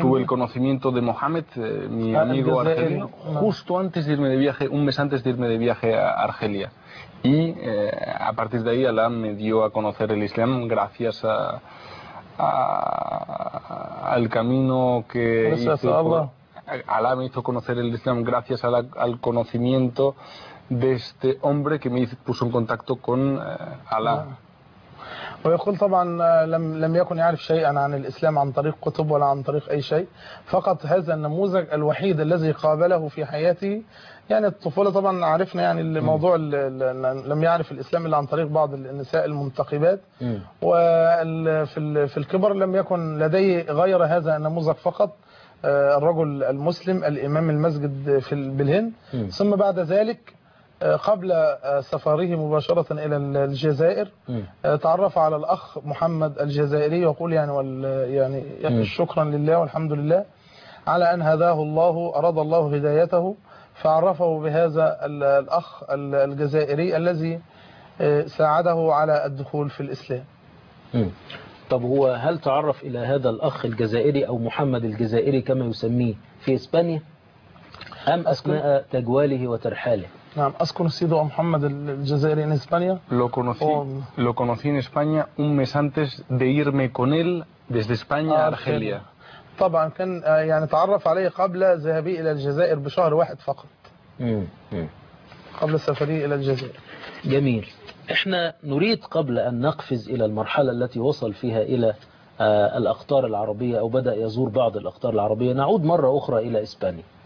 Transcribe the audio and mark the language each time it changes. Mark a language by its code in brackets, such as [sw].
[es] tuve el conocimiento de Mohamed, mi amigo argelino, justo antes de irme de viaje, un mes antes de irme de viaje a Argelia, y a partir de ahí Alá me dio a conocer el Islam gracias al camino que gracias hice, a Allah. Alá me hizo conocer el Islam gracias al conocimiento de este hombre que me puso en contacto con Alá. [ar] ويقول طبعا لم يكن يعرف شيئا عن الإسلام عن طريق كتب ولا عن طريق أي شيء، فقط هذا النموذج الوحيد الذي قابله في حياته. يعني الطفولة طبعا عرفنا يعني الموضوع لم يعرف الإسلام إلا عن طريق بعض النساء المنتقبات، وفي الكبر لم يكن لديه غير هذا النموذج فقط، الرجل المسلم الإمام المسجد في بالهند. ثم بعد ذلك قبل سفره مباشرة إلى الجزائر تعرف على الأخ محمد الجزائري، يقول يعني شكرا لله والحمد لله على أن هداه الله، أراد الله هدايته، فعرفه بهذا الأخ الجزائري الذي ساعده على الدخول في الإسلام. طب هو هل تعرف إلى هذا الأخ الجزائري أو محمد الجزائري كما يسميه في إسبانيا أم أثناء تجواله وترحاله؟ [es] نعم، ¿has conocido a Mohamed el Jazairi en España? Lo conocí en España un mes antes de irme con él desde España a Argelia. [ar] طبعا كان يعني تعرف عليه قبل ذهابي إلى الجزائر بشهر واحد فقط. قبل سفري إلى الجزائر. جميل. إحنا نريد قبل أن نقفز إلى المرحلة التي وصل فيها إلى الأقطار العربية أو بدأ يزور بعض الأقطار العربية، نعود مرة أخرى إلى إسبانيا.